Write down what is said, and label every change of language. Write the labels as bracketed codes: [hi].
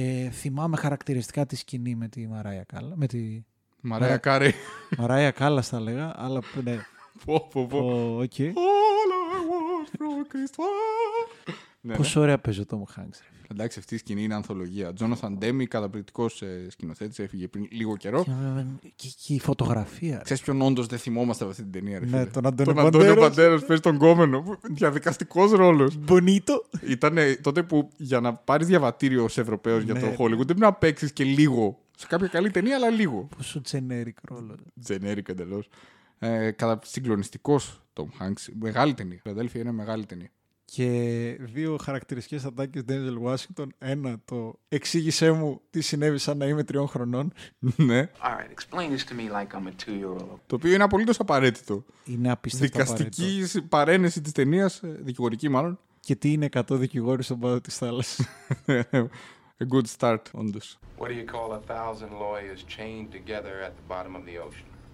[el] Θυμάμαι χαρακτηριστικά τη σκηνή με τη Μαράια Κάλα. Με τη Μαράια Κάρι. Μαράια Κάλα θα λέγα, αλλά ναι. Πω. Okay. [en] All I want from Christmas. [el] Ναι, πόσο ωραία παίζει ο Tom Hanks. Εντάξει, αυτή η σκηνή είναι ανθολογία. Jonathan Demme, καταπληκτικός σκηνοθέτης, έφυγε πριν λίγο καιρό. Και η φωτογραφία. Ξέρεις ποιον όντως δεν θυμόμαστε από αυτή την ταινία, ρε φίλε. Ναι, τον Αντώνιο Μπαντέρας. Τον Αντώνιο Μπαντέρας παίζει τον Κόμενο. Διαδικαστικός ρόλος. Μπονίτο. Ήταν τότε που για να πάρεις διαβατήριο ως Ευρωπαίος, ναι, για το Hollywood, δεν πρέπει να παίξεις και λίγο. Σε κάποια καλή ταινία, αλλά λίγο. Πόσο generic ρόλο. Generic εντελώς. Συγκλονιστικός Tom Hanks. Μεγάλη ταινία. Φιλαδέλφια είναι μεγάλη ταινία. Και δύο χαρακτηριστικές ατάκες Ντένζελ Ουάσιγκτον. Ένα, το εξήγησέ μου τι συνέβη σαν να είμαι 3 χρονών. Ναι. [en] All right, explain this to me like I'm a 2-year-old. [el] Το οποίο είναι απολύτως απαραίτητο. Είναι απίστευτο. Δικαστική παρένεση της ταινίας, δικηγορική μάλλον. Και τι είναι 100 δικηγόροι στον πάτο της θάλασσας. [en] A good start, [el] όντως. [en] What do you call 1,000 lawyers chained together at the bottom of the ocean?